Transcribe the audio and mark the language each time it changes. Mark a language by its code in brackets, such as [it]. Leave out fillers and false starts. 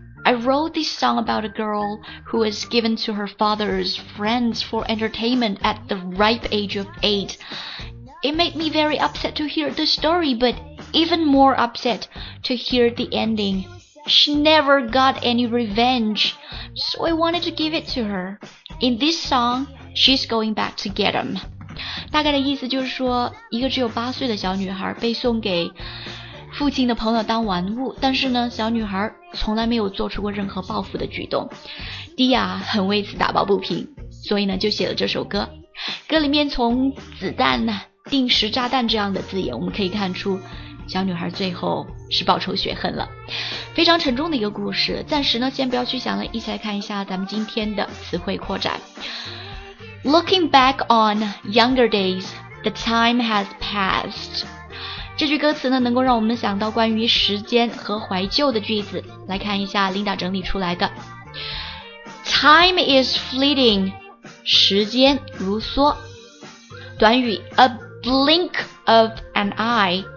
[en] I wrote this song about a girl who was given to her father's friends for entertainment at the ripe age of 8. It made me very upset to hear the story, but even more upset to hear the ending. She never got any revenge, so I wanted to give it to her. In this song, she's going back to get him. [zh] 大概的意思就是说，一个只有八岁的小女孩被送给父亲的朋友当玩物，但是呢，小女孩从来没有做出过任何报复的举动。 Dia 很为此打抱不平，所以呢，就写了这首歌。歌里面从子弹、定时炸弹这样的字眼，我们可以看出小女孩最后是报仇雪恨了。非常沉重的一个故事，暂时呢，先不要去想了，一起来看一下咱们今天的词汇扩展。 [en] Looking back on younger days, the time has passed. [zh] 这句歌词呢，能够让我们想到关于时间和怀旧的句子。来看一下 Linda 整理出来的。 [en] Time is fleeting. [zh] 时间如梭。短语 [en] A blink of an eye.